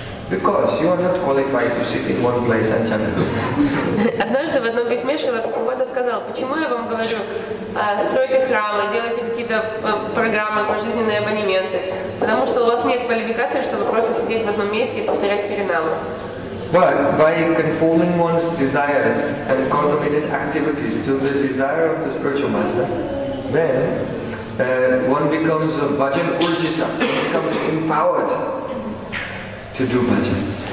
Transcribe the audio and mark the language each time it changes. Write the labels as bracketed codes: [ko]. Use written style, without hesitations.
[en] Because you are not qualified to sit in one place and chant. [ru] Однажды в одном письме Шрила Прабхупада сказал, почему я вам говорю, стройте храмы, делайте какие-то программы, пожизненные абонементы, потому что у вас нет квалификации, чтобы просто сидеть в одном месте и повторять харинаму. [en] But by conforming one's desires and contemplated activities to the desire of the spiritual master, then one becomes a bhajan urjita, becomes empowered to do bhajan.